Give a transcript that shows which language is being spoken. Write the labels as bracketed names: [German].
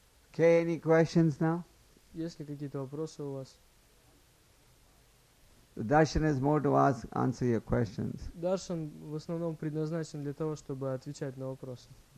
[English] Okay, any questions now? [Russian] Есть ли какие-то вопросы у вас? [English] The darshan is more to ask, answer your questions. [Russian] Даршан в основном предназначен для того, чтобы отвечать на вопросы.